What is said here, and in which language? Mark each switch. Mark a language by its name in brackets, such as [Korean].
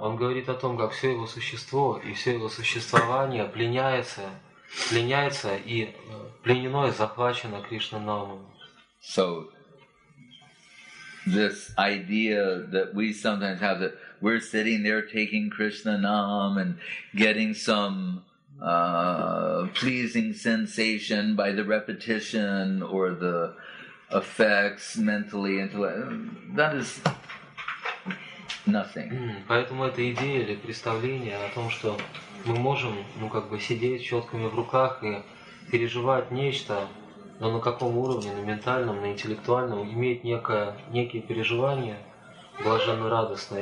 [Russian] Он говорит о том, как все его существо и все его существование пленяется и пленено и захвачено Кришнанамом. [English] So this idea that we sometimes have that we're sitting there taking Krishna nam and getting some pleasing sensation by the repetition or the effects mentally, that is nothing. [Russian] Поэтому эта идея или представление о том, что мы можем, ну как бы сидеть чётками в руках и переживать нечто, но на каком уровне, на ментальном, на интеллектуальном, имеет некие переживания блаженно-радостное.